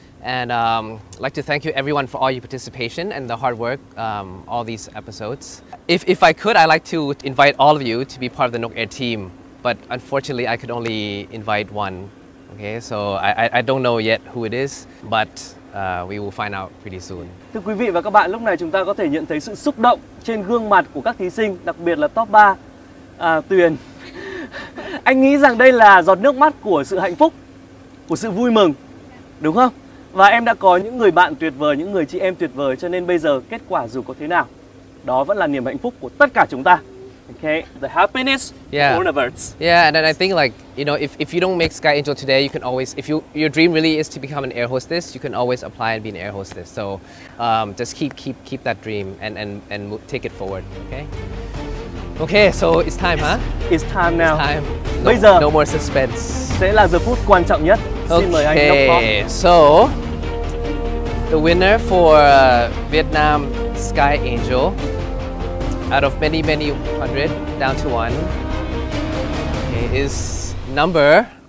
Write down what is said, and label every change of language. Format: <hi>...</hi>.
<en>And I'd like to thank you everyone for all your participation and the hard work, all these episodes. If I could, I'd like to invite all of you to be part of the Nok Air team. But unfortunately, I could only invite one. Okay, so I don't know yet who it is, but we will find out pretty soon.</en> <vi>Thưa quý vị và các bạn, lúc này chúng ta có thể nhận thấy sự xúc động trên gương mặt của các thí sinh, đặc biệt là top 3, Tuyền. Anh nghĩ rằng đây là giọt nước mắt của sự hạnh phúc, của sự vui mừng, đúng không? Và em đã có những người bạn tuyệt vời, những người chị em tuyệt vời, cho nên bây giờ kết quả dù có thế nào, đó vẫn là niềm hạnh phúc của tất cả chúng ta.</vi> <en>Okay, the happiness of all of us. Yeah, and then I think like, you know, if you don't make Skyangel today, you can always, if you your dream really is to become an air hostess, you can always apply and be an air hostess. So just keep that dream and take it forward, okay? Okay, so it's time, huh? It's time now. It's time.</en> <vi>No, bây giờ,</vi> <en>no more suspense.</en> <vi>Sẽ là giờ phút quan trọng nhất.</vi> <en>Okay, so the winner for Vietnam Skyangel, out of many, many hundred, down to one, is number...</en>